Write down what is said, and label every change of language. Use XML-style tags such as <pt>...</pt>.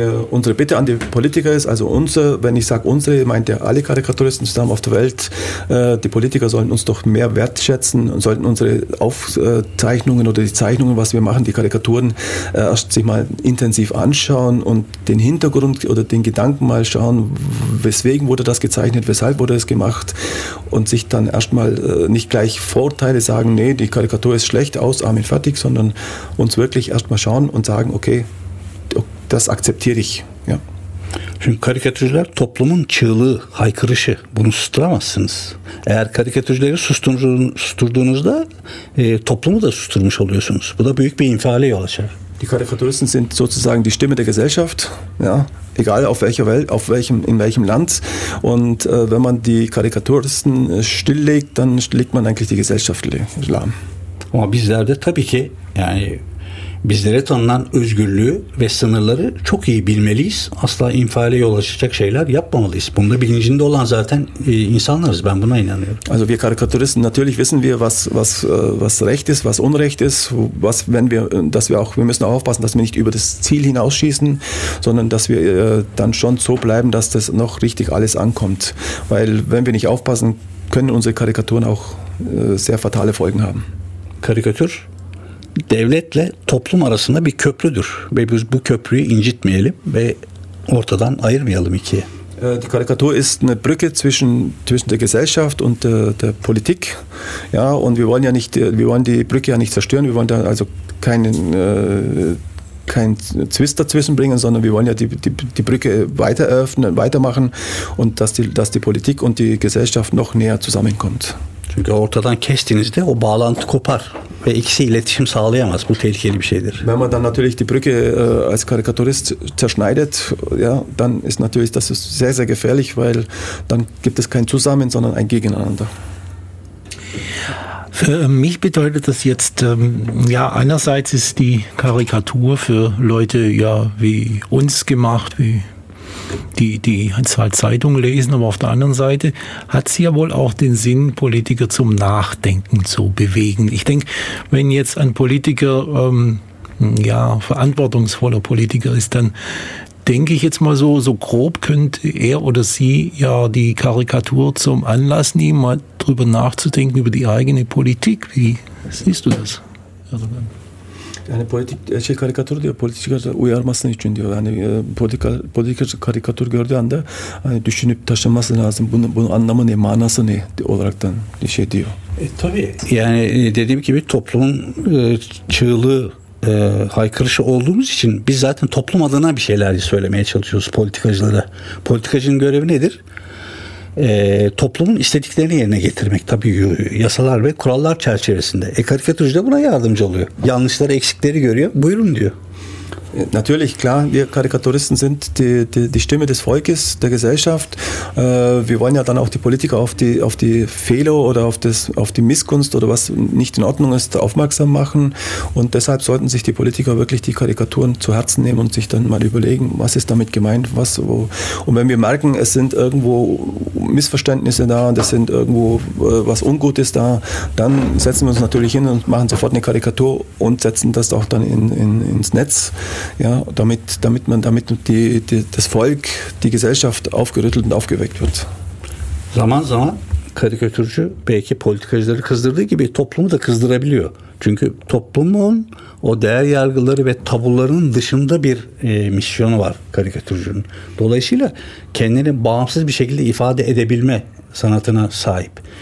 <de>Unsere Bitte an die Politiker ist, also unsere, wenn ich sage unsere, meint ja alle Karikaturisten zusammen auf der Welt, die Politiker sollten uns doch mehr wertschätzen und sollten unsere Aufzeichnungen oder die Zeichnungen, was wir machen, die Karikaturen, erst sich mal intensiv anschauen und den Hintergrund oder den Gedanken mal schauen, weswegen wurde das gezeichnet, weshalb wurde es gemacht und sich dann erstmal nicht gleich Vorurteile sagen, nee, die Karikatur ist schlecht, aus, Armin, fertig, sondern uns wirklich erstmal schauen und sagen, okay, das akzeptiere ich. Ja.</de> <tr>Çünkü karikatürcüler toplumun çığlığı, haykırışı. Bunu susturamazsınız. Eğer karikatürcüleri susturduğunuzda toplumu da susturmuş oluyorsunuz. Bu da büyük bir infiale yol açar.</tr> <de>Die Karikaturisten sind sozusagen die Stimme der Gesellschaft. Ja. Egal auf welcher Welt, auf welchem, in welchem Land. Und wenn man die Karikaturisten stilllegt, dann legt man eigentlich die Gesellschaft lahm.</de> <tr>Ama bizler de tabii ki yani bizlere tanınan özgürlüğü ve sınırları çok iyi bilmeliyiz. Asla infiale yol açacak şeyler yapmamalıyız. Bunda bilincinde olan zaten insanlarız. Ben buna inanıyorum.</tr> <de>Also wir Karikaturisten, natürlich wissen wir, was recht ist, was unrecht ist, was, wenn wir, dass wir auch, wir müssen auch aufpassen, dass wir nicht über das Ziel hinausschießen, sondern dass wir dann schon so bleiben, dass das noch richtig alles ankommt. Weil wenn wir nicht aufpassen, können unsere Karikaturen auch sehr fatale Folgen haben.</de> <tr>Karikatür devletle toplum arasında bir köprüdür ve biz bu köprüyü incitmeyelim ve ortadan ayırmayalım ikiye.</tr> <de>Die Karikatur ist eine Brücke zwischen der Gesellschaft und der Politik. Ja, und wir wollen ja nicht, wir wollen die Brücke ja nicht zerstören, wir wollen da also keinen Zwist dazwischen bringen, sondern wir wollen ja die Brücke weiter öffnen, weitermachen und dass die Politik und die Gesellschaft noch näher zusammenkommt.</de> <tr>Çünkü ortadan kestiğinizde o bağlantı kopar ve ikisi iletişim sağlayamaz. Bu tehlikeli bir şeydir.</tr> <de>Wenn man dann natürlich die Brücke als Karikaturist zerschneidet, ja, dann ist natürlich das ist sehr sehr gefährlich, weil dann gibt es kein Zusammen, sondern ein Gegeneinander. Für mich bedeutet das jetzt, ja, einerseits ist die Karikatur für Leute ja wie uns gemacht, wie die halt Zeitung lesen, aber auf der anderen Seite hat sie ja wohl auch den Sinn, Politiker zum Nachdenken zu bewegen. Ich denke, wenn jetzt ein Politiker ja verantwortungsvoller Politiker ist, dann denke ich jetzt mal so grob könnte er oder sie ja die Karikatur zum Anlass nehmen, mal drüber nachzudenken über die eigene Politik. Wie siehst du das?</de> <tr>Yani politik şey karikatür diyor, politikacı uyarması için diyor. Yani politikacı karikatür gördüğü anda hani düşünüp taşınması lazım. Bunun anlamı ne, manası ne olaraktan bir şey diyor. Tabii yani dediğim gibi toplumun çığlığı, haykırışı olduğumuz için biz zaten toplum adına bir şeyler söylemeye çalışıyoruz politikacılara. Politikacının görevi nedir? Toplumun istediklerini yerine getirmek tabii yasalar ve kurallar çerçevesinde. Karikatürcü de buna yardımcı oluyor. Yanlışları, eksikleri görüyor. Buyurun diyor.</tr> <de>Natürlich, klar, wir Karikaturisten sind die Stimme des Volkes, der Gesellschaft. Wir wollen ja dann auch die Politiker auf die Fehler oder auf die Missgunst oder was nicht in Ordnung ist, aufmerksam machen. Und deshalb sollten sich die Politiker wirklich die Karikaturen zu Herzen nehmen und sich dann mal überlegen, was ist damit gemeint, was, wo. Und wenn wir merken, es sind irgendwo Missverständnisse da und es sind irgendwo was Ungutes da, dann setzen wir uns natürlich hin und machen sofort eine Karikatur und setzen das auch dann ins Netz. Ja, damit das Volk, die Gesellschaft aufgerüttelt und aufgeweckt wird.</de> <tr>Zaman zaman karikatürcü belki politikacıları kızdırdığı gibi toplumu da kızdırabiliyor. Çünkü toplumun o değer yargıları ve tabularının dışında bir misyonu var karikatürcünün. Dolayısıyla kendini bağımsız bir şekilde ifade edebilme sanatına sahip.</tr>